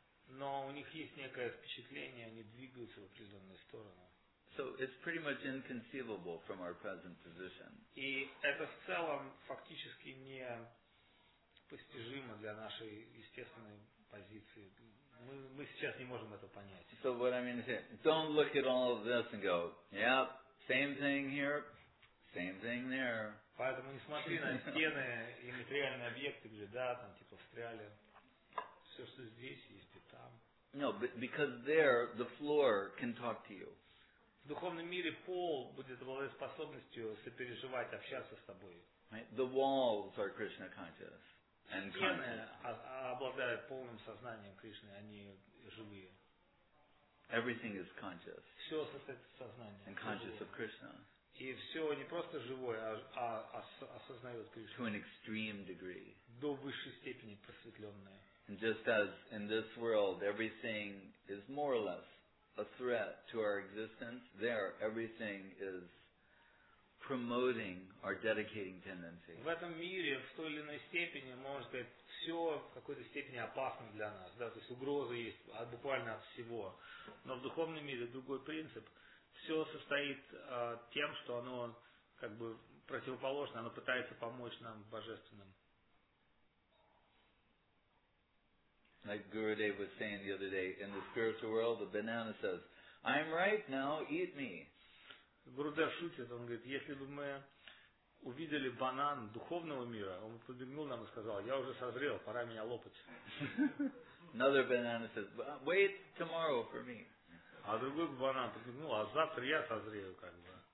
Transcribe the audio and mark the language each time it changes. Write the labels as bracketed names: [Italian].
[Russian] Но у них есть некое впечатление, они двигаются в определенную сторону. [English] So it's pretty much inconceivable from our present position. [Russian] И это в целом фактически не постижимо для нашей естественной позиции. Мы сейчас не можем это понять. [English] So what I mean is, don't look at all of this and go, yep, same thing here, same thing there. [Russian] Поэтому не смотри на стены и материальные объекты, где да, там типа встряли. Все, что здесь, есть и там. [English] No, because there the floor can talk to you. [Russian] В духовном мире пол будет обладать способностью сопереживать, общаться с тобой. [English] The walls are Krishna conscious. and conscious. Everything is conscious. And conscious of Krishna. [Russian] И все не просто живое, а осознает Кришну. [English] To an extreme degree. [Russian] До высшей степени просветленное. [English] And just as in this world everything is more or less a threat to our existence, there everything is promoting our dedicating tendency. [Russian] В этом мире в той или иной степени, может быть, все в какой-то степени опасно для нас. Да? То есть угроза есть от, буквально от всего. Но в духовном мире другой принцип. Все состоит тем, что оно как бы противоположно, оно пытается помочь нам божественным. [English] Like Gurudev was saying the other day, in the spiritual world, the banana says, "I'm right now, eat me." [Russian] Гурудев шутит, он говорит, если бы мы увидели банан духовного мира, он подмигнул нам и сказал, я уже созрел, пора меня лопать. [English] Another banana says, "Wait tomorrow for me." [Russian] А другой банан, ну, а завтра я созрею, как бы.